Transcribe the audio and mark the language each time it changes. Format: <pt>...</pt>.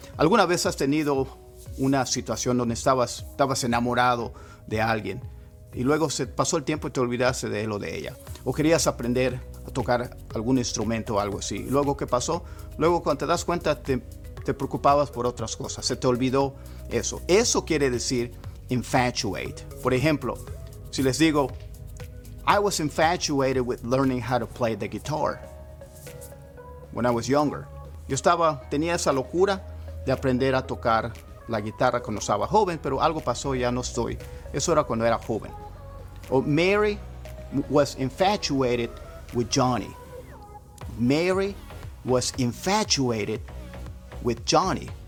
<es>¿Alguna vez has tenido una situación donde estabas enamorado de alguien y luego se pasó el tiempo y te olvidaste de él o de ella? ¿O querías aprender a tocar algún instrumento o algo así? ¿Y luego qué pasó? Luego, cuando te das cuenta, te preocupabas por otras cosas. Se te olvidó eso. Eso quiere decir infatuate. Por ejemplo, si les digo,</es> <en>I was infatuated with learning how to play the guitar when I was younger.</en> <es>Tenía esa locura de aprender a tocar la guitarra cuando estaba joven, pero algo pasó y ya no estoy. Eso era cuando era joven. O</es> <en>Mary was infatuated with Johnny. Mary was infatuated with Johnny.</en>